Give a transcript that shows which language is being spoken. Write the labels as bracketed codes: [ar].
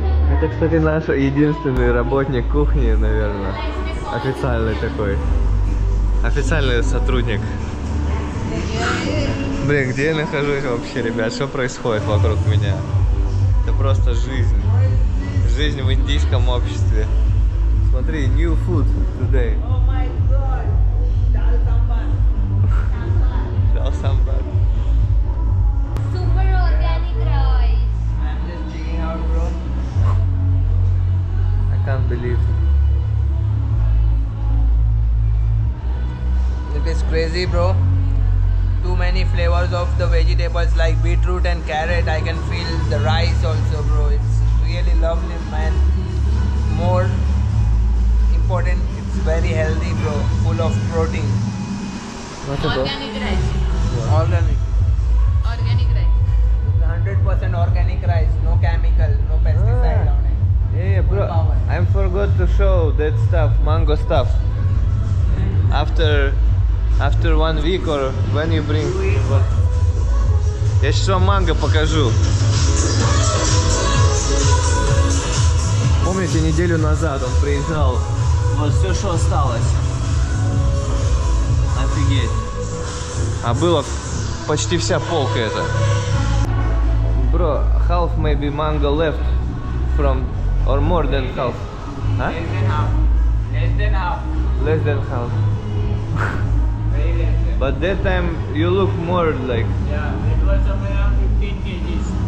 [ru] Это, кстати, наш единственный работник кухни, наверное, официальный такой, официальный сотрудник. Блин, где я нахожусь вообще, ребят, что происходит вокруг меня? Это просто жизнь, жизнь в индийском обществе. Смотри, [en] new food today. Oh my god! Dal sambar. Dal sambar. Super organic rice. I'm just checking out, bro. I can't believe. It is crazy, bro. Too many flavors of the vegetables like beetroot and carrot. I can feel the rice also, bro. It's really lovely, man. More. Important, it's very healthy, bro. Full of protein. Organic rice. Organic rice. 100% organic rice. No chemical, no pesticide on it. Yeah, bro. I forgot to show that stuff, mango stuff. After 1 week or when you bring. [ru] Я сейчас вам манго покажу. Помните, неделю назад он приезжал. Вот все, что осталось. Офигеть. А было почти вся полка это. Бро, [en] half maybe mango left from or more than half. Less than half. Less than half. Less than half. Very less. But that time you look more like. Yeah, it was around 15 kgs.